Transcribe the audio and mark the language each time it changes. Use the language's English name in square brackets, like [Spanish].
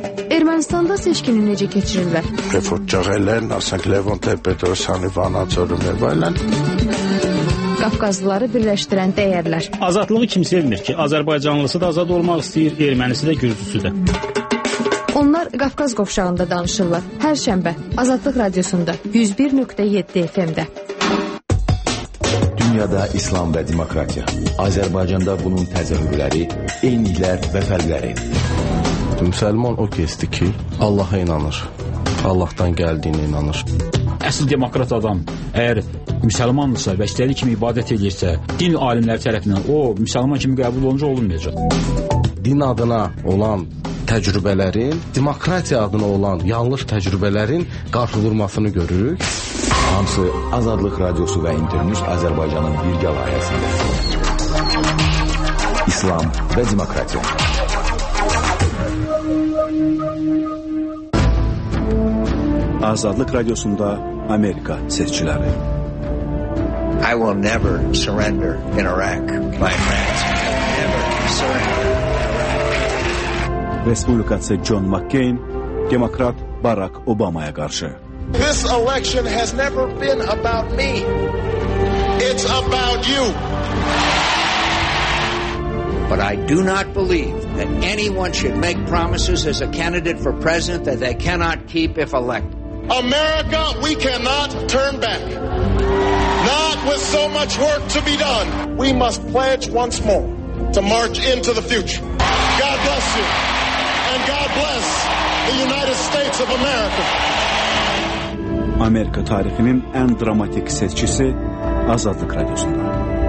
[Azerbaijani] Ermənistanda seçkini necə keçirirlər? Reford Cağəllərin, Arsak Levante, Petrosani, Vana, Zorumi, Vailən. Qafqazlıları birləşdirən dəyərlər. Azadlığı kim sevmir ki? Azərbaycanlısı da azad olmaq istəyir, ermənisi də, gürcüsü də. Onlar Qafqaz qovşağında danışırlar. Hər şənbə Azadlıq Radiosunda 101.7 FM-də. Dünyada İslam və demokratiya. Azərbaycanda bunun təzəhürləri, eyniklər və fərqləri. Müsəlman o kəsdir ki, Allaha inanır, Allahdan gəldiyinə inanır. Əsl demokrat adam, əgər müsəlmandırsa və istəyir kimi ibadət edirsə, din alimləri tərəfindən o, müsəlman kimi qəbul olunca olunmayacaq. Din adına olan təcrübələrin, demokratiya adına olan yanlış təcrübələrin qarşıdurmasını görürük. Hamısı Azadlıq Radiosu və İnternet Azərbaycanın bir gələyəsində. İslam və demokratiya. Azadlıq Radiosunda Amerika seçiciləri. [English] I will never surrender in Iraq, my friends. Never surrender in Iraq. [Azerbaijani] Respublikaçı John McCain, demokrat Barack Obama'ya qarşı. [English] This election has never been about me. It's about you. But I do not believe that anyone should make promises as a candidate for president that they cannot keep if elected. America, we cannot turn back. Not with so much work to be done. We must pledge once more to march into the future. God bless you, and God bless the United States of America. [Turkish] Amerika tarihinin en dramatik seçicisi Azadlık Radyosu'nda.